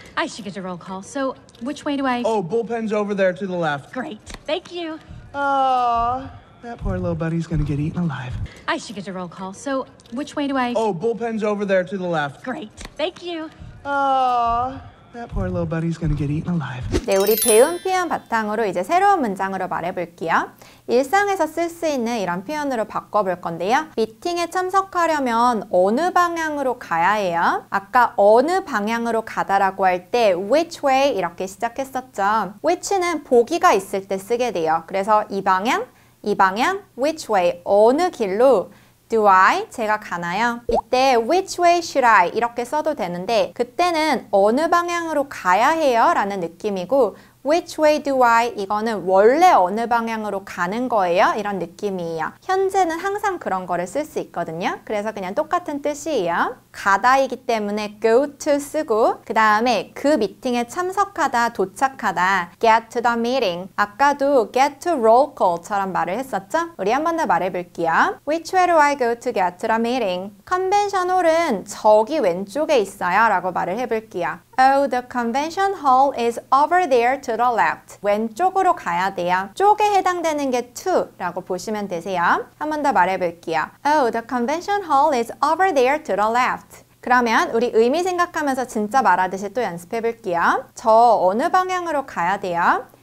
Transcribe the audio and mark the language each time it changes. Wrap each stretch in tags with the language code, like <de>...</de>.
<en>I should get a roll call. So, which way do I... Oh, bullpen's over there to the left. Great. Thank you. That poor little bunny's gonna get eaten alive. I should get a roll call. So, which way do I... Oh, bullpen's over there to the left. Great. Thank you. That poor little bunny's gonna get eaten alive.</en> <ko>네, 우리 배운 표현 바탕으로 이제 새로운 문장으로 말해볼게요. 일상에서 쓸 수 있는 이런 표현으로 바꿔볼 건데요. 미팅에 참석하려면 어느 방향으로 가야 해요? 아까 어느 방향으로 가다라고 할 때 which way 이렇게 시작했었죠. which는 보기가 있을 때 쓰게 돼요. 그래서 이 방향, 이 방향, which way, 어느 길로</ko> <en>Do I?</en> <ko>제가 가나요? 이때</ko> <en>which way should I?</en> <ko>이렇게 써도 되는데 그때는 어느 방향으로 가야 해요? 라는 느낌이고</ko> <en>which way do I?</en> <ko>이거는 원래 어느 방향으로 가는 거예요? 이런 느낌이에요. 현재는 항상 그런 거를 쓸 수 있거든요. 그래서 그냥 똑같은 뜻이에요. 가다이기 때문에 go to 쓰고 그 다음에 그 미팅에 참석하다, 도착하다</ko> <en>get to the meeting.</en> <ko>아까도 get to roll call처럼 말을 했었죠? 우리 한 번 더 말해볼게요.</ko> <en>Which way do I go to get to the meeting?</en> <ko>컨벤션 홀은 저기 왼쪽에 있어요 라고 말을 해볼게요.</ko> <en>Oh, the convention hall is over there to the left.</en> <ko>왼쪽으로 가야 돼요. 쪽에 해당되는 게 to 라고 보시면 되세요. 한 번 더 말해볼게요.</ko> <en>Oh, the convention hall is over there to the left.</en> <ko>그러면 우리 의미 생각하면서 진짜 말하듯이 또 연습해 볼게요. 저 어느 방향으로 가야 돼요?</ko>